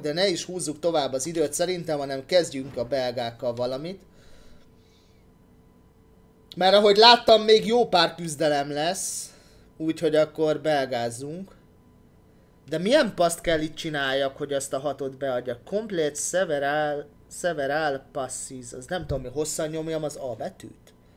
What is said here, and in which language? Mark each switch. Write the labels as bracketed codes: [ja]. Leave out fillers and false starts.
[hu] De ne is húzzuk tovább az időt szerintem, hanem kezdjünk a belgákkal valamit. Mert ahogy láttam, még jó pár küzdelem lesz, úgyhogy akkor belgázzunk. De milyen paszt kell itt csináljak, hogy ezt a hatot beadjak? [en] Complete several passes. [hu] Az nem tudom, hogy hosszan nyomjam az A betűt.